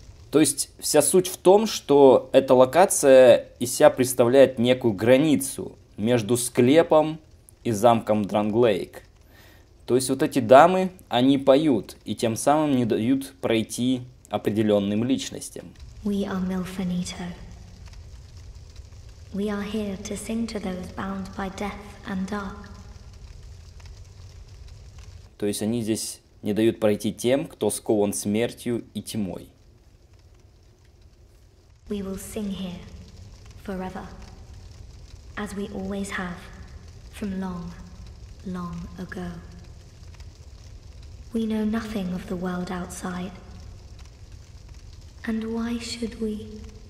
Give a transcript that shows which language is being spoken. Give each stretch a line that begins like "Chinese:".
Russian: То есть вся суть в том, что эта локация из себя представляет некую границу между склепом и замком Дранглейк. То есть вот эти дамы, они поют и тем самым не дают пройти определенным личностям.
English: We are Milfinito. We are here to sing to those bound by death and dark.
Russian: То есть они здесь не дают пройти тем, кто скован смертью и тьмой.
English: We will sing here forever, as we always have, from long, long ago. We know nothing of the world outside. And why should we?